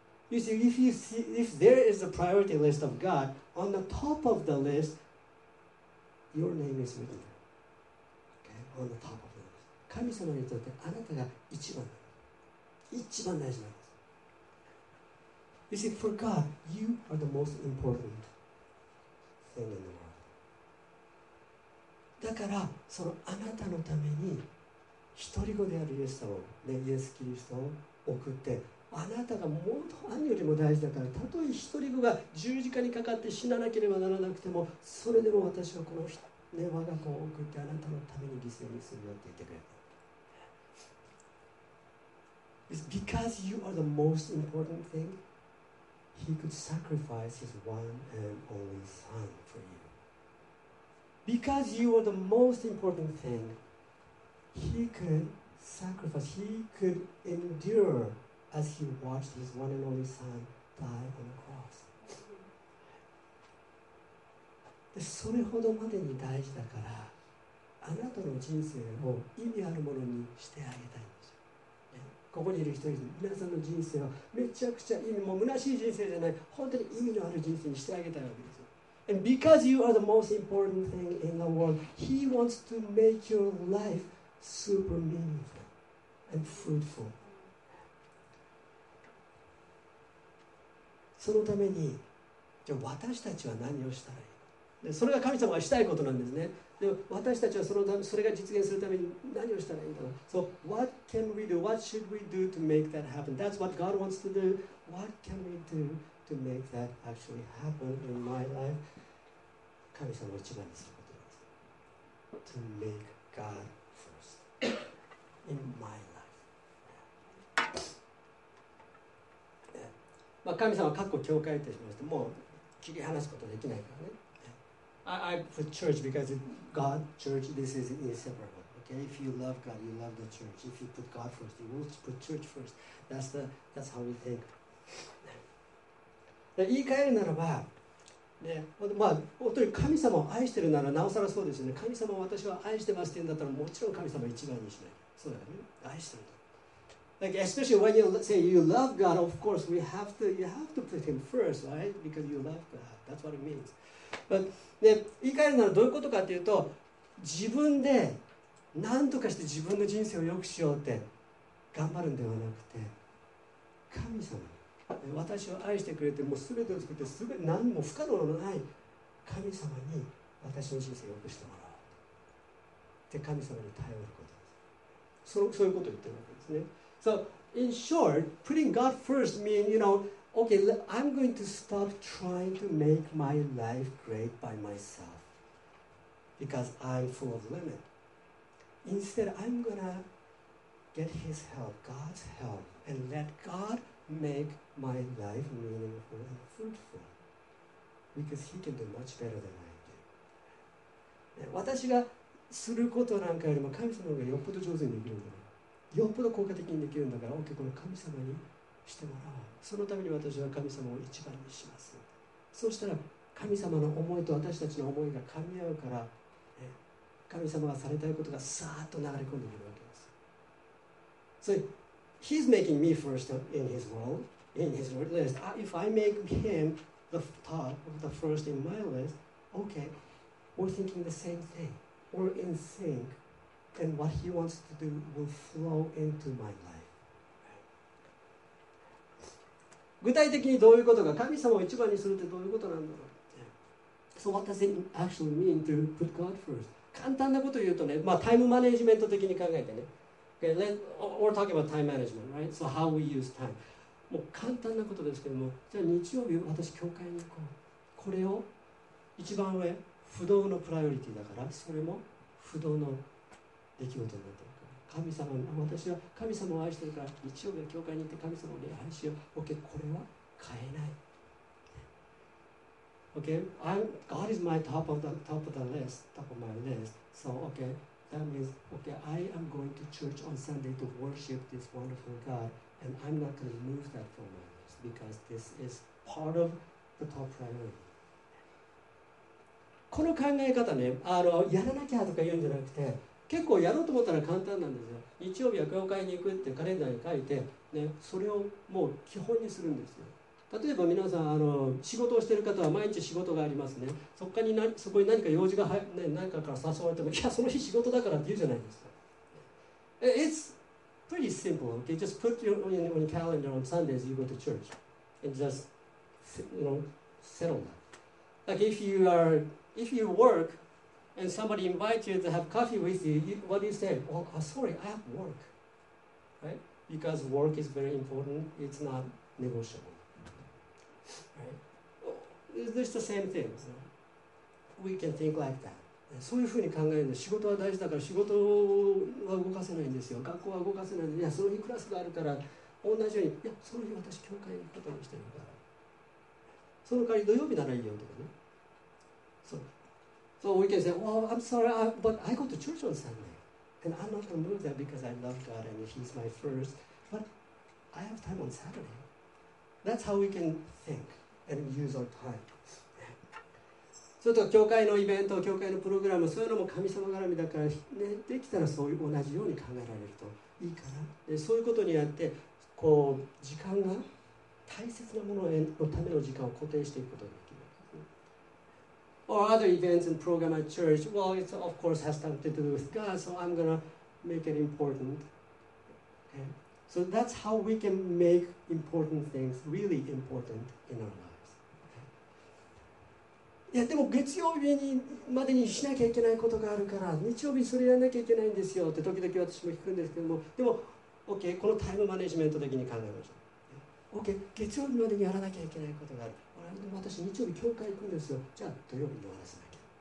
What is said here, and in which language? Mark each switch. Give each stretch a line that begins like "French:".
English: You see, if you see, if there is a priority list of God, on the top of the list, your name is written. Okay, on the top of the list.
Japanese: 神様にとってあなたが一番大事なんです。
English: You see, for God, you are the most important thing in the world.
Japanese: だからそのあなたのために一人子であるイエス様、ね、イエスキリストを送って。あなたが何よりも大事だから、たとえ一人子が十字架にかかって死ななければならなくても、それでも私はこの、ね、我が子を送ってあなたのために犠牲にするよって言ってくれた。
English: It's because you are the most important thing, he could sacrifice his one and only son for you. Because you are the most important thing, he could sacrifice, he could endureas he watched his one and only son die on the cross.
Japanese: で、それほどまでに大事だから、あなたの人生を意味あるものにしてあげたいんですよ。ね、ここにいる人々、皆さんの人生はめちゃくちゃ意味、もう虚しい人生じゃない、本当に意味のある人生にしてあげたいわけですよ。
English: And because you are the most important thing in the world, he wants to make your life super meaningful and fruitful.
Japanese: そのためにじゃあ私たちは何をしたらいいか、でそれが神様がしたいことなんですね。で私たちはそのため、それが実現するために何をしたらいいか。
English: So what can we do? What should we do to make that happen? That's what God wants to do. What can we do to make that actually happen in my life?
Japanese: 神様を一番にすることなんです。
English: To make God first in my life.
Japanese: まあ、神様は括弧教会ってしまして、もう切り離すことできないからね。
English: I put church because God, church, this is inseparable. Okay, if you love God, you love the church. If you put God first, you will put church first. That's how we think.
Japanese: 言い換えるならば、ね、まあ、本当に神様を愛してるならなおさらそうですよね。神様を私は愛してますって言うんだったら、もちろん神様一番にしない。そうだよね。愛してると。
English: Like especially when you say you love God, of course we have to, you have to put Him first, right? Because you love God. That's what it means.
Japanese: But ね、言い換えるならどういうことかというと、自分で何とかして自分の人生を良くしようって頑張るんではなくて、神様、私を愛してくれて、もうすべてを作って、すべ何も不可能のない神様に私の人生を良くしてもらおうって神様に頼ることです。そういうことを言ってるわけですね。
English: So, in short, putting God first means, you know, okay, I'm going to stop trying to make my life great by myself because I'm full of limit. Instead, I'm going to get His help, God's help, and let God make my life meaningful and fruitful because He can do much better than I do.
Japanese: 私がすることなんかよりも神様の方がよっぽど上手にできるんだ。よっぽど効果的にできるんだから、OK、この神様にしてもらおう。そのために私は神様を一番にします。そうしたら神様の思いと私たちの思いが噛み合うから、ね、神様がされたいことがさーっと流れ込んでくるわけです。
English: So, He's making me first in His world, in His world list. If I make Him the top of the first in my list, okay, we're thinking the same thing. We're in sync, and what he wants to do will flow into my life.
Japanese: 具体的にどういうことが、神様を一番にするってどういうことなんだろう。
English: So what does it actually mean to put God first?
Japanese: 簡単なことを言うとね、まあタイムマネジメント的に考えてね。
English: Okay, we're talking about time management, right? So how we use time.
Japanese: もう簡単なことですけども、じゃあ日曜日私教会に行こう。これを一番上、不動のプライオリティだから、それも不動の出来事になってるから。神様、私は神様を愛してるから、日曜日は教会に行って神様を礼拝しよう。 OK、これは変えない。
English: Okay, God is my top of my list. So, okay, that means, okay, I am going to church on Sunday to worship this wonderful God, and I'm not going to move that from my list because this is part of the top priority.
Japanese: この考え方ね、やらなきゃとか言うんじゃなくて、結構やろうと思ったら簡単なんですよ。日曜日は教会に行くってカレンダーに書いて、ね、それをもう基本にするんですよ。例えば皆さん仕事をしている方は毎日仕事がありますね。そこに何か用事が入って、ね、何かから誘われても、いや、その日仕事だからって言うじゃないですか。
English: It's pretty simple, okay? Just put your calendar on Sundays, you go to church. And just, you know, settle that. Like if you work and somebody invites you to have coffee with you, what do you say? Oh, sorry, I have work. Right? Because work is very important, it's not negotiable. Right. It's the same thing. So we can think like that.
Japanese: そういうふうに考えるんです。仕事は大事だから仕事は動かせないんですよ。学校は動かせないんです。いや、その日クラスがあるから同じように、いや、その日私教会に行くことにしてるから。その代わり土曜日ならいいよとかね。
English: So we can say, well, I'm sorry, but I go to church on Sunday. And I'm not going to move there because I love God and He's my first. But I have time on Saturday. That's how we can think and use our time.
Japanese: それと教会のイベント、教会のプログラム、そういうのも神様絡みだから、ね、できたらそういう同じように考えられるといいかな。でそういうことによってこう時間が大切なもののための時間を固定していくことができる。
English: Or other events and program at church. Well, it of course has something to do with God, so I'm gonna make it important. Okay. So that's how we can make important things really important in our lives.
Japanese: いやでも月曜日にまでにしなきゃいけないことがあるから日曜日それやらなきゃいけないんですよって時々私も聞くんですけども、でも OK このタイムマネジメント的に考えましょう。 OK 月曜日までにやらなきゃいけないことがある、でも私日曜日教会行くんですよ、じゃあ土曜日に終わらせなきゃ。